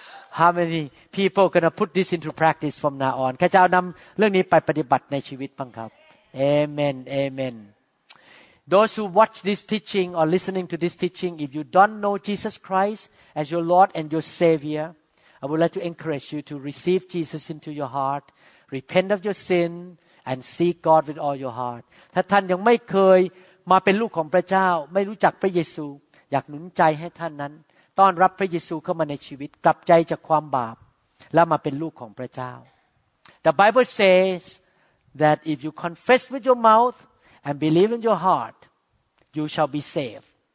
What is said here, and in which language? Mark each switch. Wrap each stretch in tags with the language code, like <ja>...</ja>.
<en>How many people are going to put this into practice from now on?</en> <th>ข้าเจ้านำเรื่องนี้ไปปฏิบัติในชีวิตบ้างครับ Amen, amen.</th> <en>Those who watch this teaching or listening to this teaching, if you don't know Jesus Christ as your Lord and your Savior, I would like to encourage you to receive Jesus into your heart, repent of your sin, and seek God with all your heart.</en> <th>ถ้าท่านยังไม่เคยมาเป็นลูกของพระเจ้าไม่รู้จักพระเยซูอยากหนุนใจให้ท่านนั้นต้อนรับพระเยซูเข้ามาในชีวิตกลับใจจากความบาปและมาเป็นลูกของพระเจ้า</th> <en>The Bible says that if you confess with your mouth and believe in your heart, you shall be saved.</en>